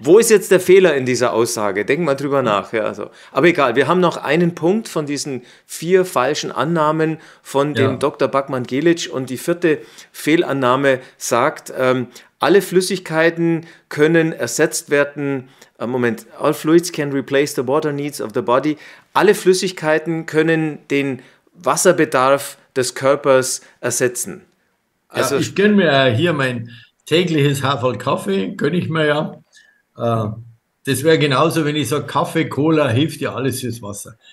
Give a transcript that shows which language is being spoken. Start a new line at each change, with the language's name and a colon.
German: wo ist jetzt der Fehler in dieser Aussage? Denk mal drüber nach. Ja, so. Aber egal, wir haben noch einen Punkt von diesen 4 falschen Annahmen von dem Ja. Dr. Backmann-Gelitsch. Und die 4. Fehlannahme sagt, alle Flüssigkeiten können ersetzt werden. Moment,
English: all fluids can replace the water needs of the body.
German: Alle Flüssigkeiten können den Wasserbedarf des Körpers ersetzen. Ja, Also. ich gönne mir hier mein tägliches Haferl Kaffee, gönne ich mir ja. Das wäre genauso, wenn ich sage, Kaffee, Cola hilft ja alles fürs Wasser.